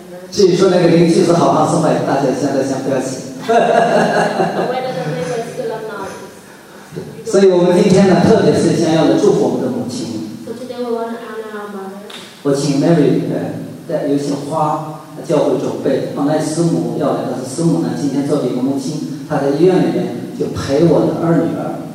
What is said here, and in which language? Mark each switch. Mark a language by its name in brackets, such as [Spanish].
[Chinese] 至于说那个邻居是好还是坏，大家现在先不要急。所以，我们今天呢，特别是先要的祝福我们的母亲。 [English] So today we want to honor our mother. [Chinese] 我请 Mary 带有些花教会准备，本来师母要来，但是师母呢今天做了一个母亲，她在医院里面就陪我的二女儿。